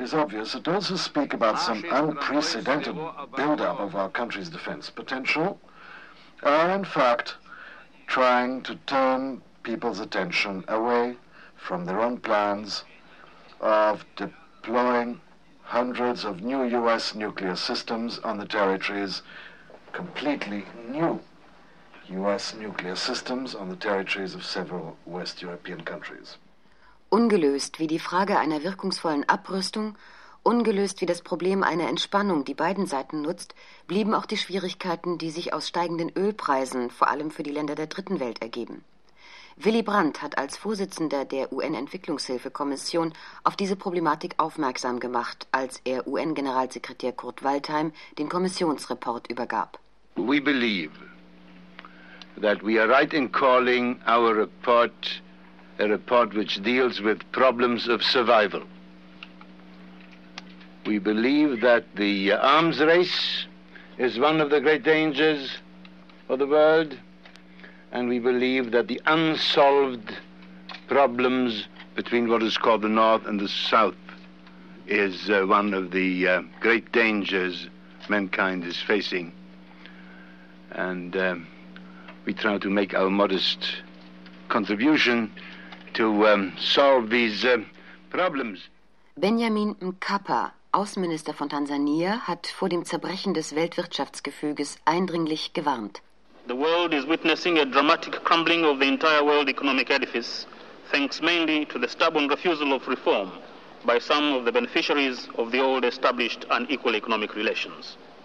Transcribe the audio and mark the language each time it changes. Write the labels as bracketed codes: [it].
[en] It is obvious that those who speak about some unprecedented build-up of our country's defense potential are in fact trying to turn people's attention away from their own plans of deploying hundreds of new U.S. nuclear systems on the territories, completely new U.S. nuclear systems on the territories of several West European countries. [de] Ungelöst wie die Frage einer wirkungsvollen Abrüstung, ungelöst wie das Problem einer Entspannung, die beiden Seiten nutzt, blieben auch die Schwierigkeiten, die sich aus steigenden Ölpreisen vor allem für die Länder der Dritten Welt ergeben. Willy Brandt hat als Vorsitzender der UN-Entwicklungshilfe-Kommission auf diese Problematik aufmerksam gemacht, als er UN-Generalsekretär Kurt Waldheim den Kommissionsreport übergab. [en] We believe that we are right in calling our report a report which deals with problems of survival. We believe that the arms race is one of the great dangers for the world. And we believe that the unsolved problems between what is called the North and the South is one of the great dangers mankind is facing. And we try to make our modest contribution to solve these problems. [de] Benjamin Mkapa, Außenminister von Tansania, hat vor dem Zerbrechen des Weltwirtschaftsgefüges eindringlich gewarnt. [en] The world is witnessing a dramatic crumbling of the entire world economic edifice, thanks mainly to the stubborn refusal of reform by some of the beneficiaries of the old established unequal economic relations.